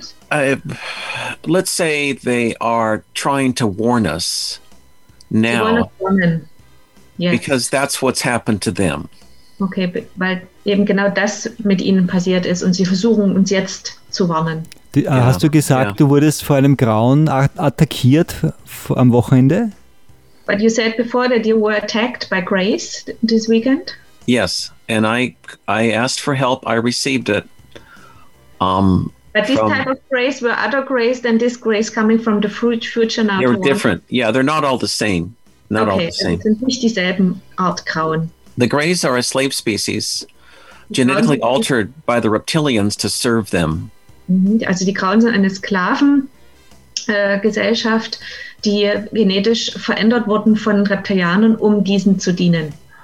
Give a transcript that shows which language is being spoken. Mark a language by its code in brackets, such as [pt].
[en] Let's say they are trying to warn us now. Yes. Because that's what's happened to them. [de] Okay, weil eben genau das mit ihnen passiert ist und sie versuchen uns jetzt zu warnen. Hast du gesagt, du wurdest vor einem Grauen attackiert am Wochenende? [en] But you said before that you were attacked by Grays this weekend? Yes, and I asked for help, I received it. But this type of grace were other grace than this grace coming from the future now. They're different. Yeah, they're not all the same. [de] Sind nicht dieselben Art Grauen. [en] The grays are a slave species, genetically altered by the reptilians to serve them. [de] Also die Grauen sind eine Sklavengesellschaft, die genetisch verändert wurden von Reptilianern, um diesen zu dienen.